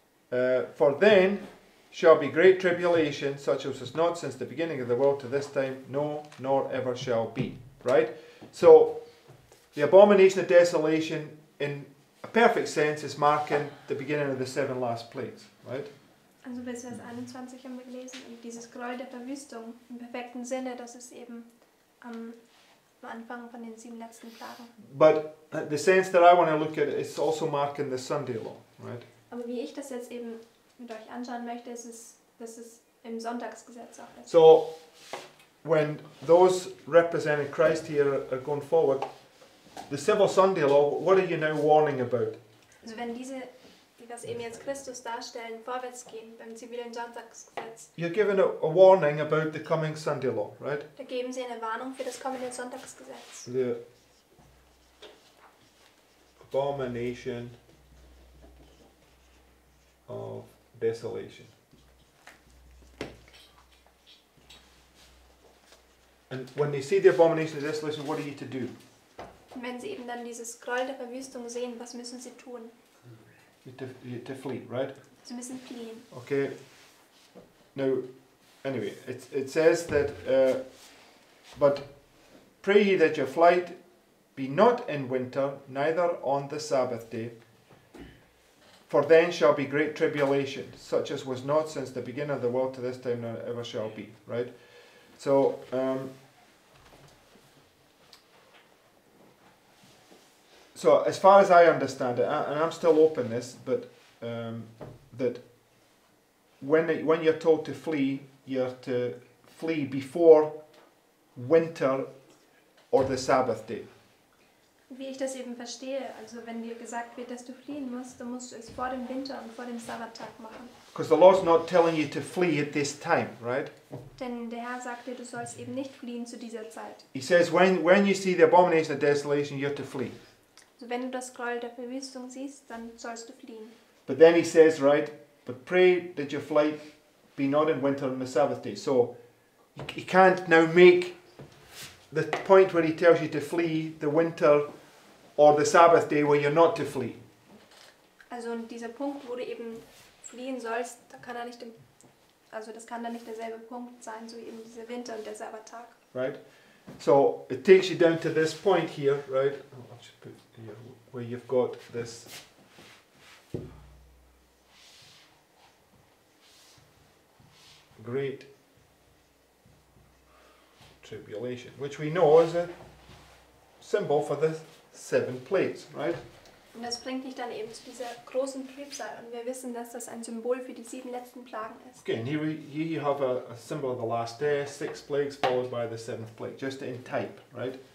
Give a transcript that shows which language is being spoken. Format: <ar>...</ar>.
<en>For then shall be great tribulation, such as was not since the beginning of the world to this time, no, nor ever shall be." Right? So, the abomination of desolation, in a perfect sense, is marking the beginning of the seven last plagues. Right?</en> <de>Also bis Vers 21 haben wir gelesen und dieses Gräuel der Verwüstung im perfekten Sinne, das ist eben am Anfang von den sieben letzten Plagen.</de> <en>But the sense that I want to look at is also marking the Sunday law, right?</en> <de>Aber wie ich das jetzt eben mit euch anschauen möchte, ist es, dass es im Sonntagsgesetz auch ist.</de> <en>So, when those representing Christ here are going forward, the civil Sunday law, what are you now warning about?</en> <de>Also wenn diese das eben jetzt Christus darstellen, vorwärts gehen beim zivilen Sonntagsgesetz.</de> <en>You're giving a warning about the coming Sunday law, right?</en> <de>Da geben sie eine Warnung für das kommende Sonntagsgesetz.</de> <en>The abomination of desolation. And when they see the abomination of desolation, what are you to do?</en> <de>Und wenn sie eben dann dieses Gräuel der Verwüstung sehen, was müssen sie tun?</de> <en>To flee, right?</en> <de>Sie müssen fliehen.</de> <en>Okay. Now, anyway, it says that, but pray ye that your flight be not in winter, neither on the Sabbath day. For then shall be great tribulation, such as was not since the beginning of the world to this time, nor ever shall be. Right? So, so as far as I understand it, and I'm still open this, but that when you're told to flee, you're to flee before winter or the Sabbath day.</en> <de>Wie ich das eben verstehe, also wenn dir gesagt wird, dass du fliehen musst, dann musst du es vor dem Winter und vor dem Sabbattag machen.</de> <en>Because the Lord's not telling you to flee at this time, right?</en> <de>Denn der Herr sagt dir, du sollst eben nicht fliehen zu dieser Zeit.</de> <en>He says, when you see the abomination of desolation, you're to flee.</en> <de>Also wenn du das Gräuel der Verwüstung siehst, dann sollst du fliehen.</de> <en>But then he says, right, but pray that your flight be not in winter on the Sabbath day. So he can't now make the point where he tells you to flee the winter or the Sabbath day where you're not to flee.</en> <de>Also in dieser Punkt, wo du eben fliehen sollst, da kann er nicht, also das kann dann nicht derselbe Punkt sein, so eben dieser Winter und der Sabbattag.</de> <en>Right. So it takes you down to this point here, right? I'll just put here, where you've got this. Great tribulation, which we know is a symbol for the seven plagues, right?</en> <de>Und das bringt dich dann eben zu dieser großen Trübsal, und wir wissen, dass das ein Symbol für die sieben letzten Plagen ist.</de> <en>Okay, and here you have a symbol of the last day, six plagues followed by the seventh plague, just in type, right?</en>